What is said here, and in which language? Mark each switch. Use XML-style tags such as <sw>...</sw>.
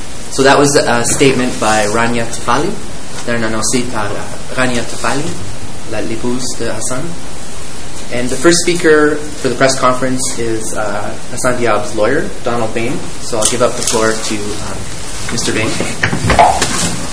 <en>So that was a statement by Rania Tfali.</en> <fr>C'est un annoncé par Rania Tfali, l'épouse de Hassan.</fr> <en>And the first speaker for the press conference is Hassan Diab's lawyer, Don Bayne. So I'll give up the floor to Mr. Bayne.</en>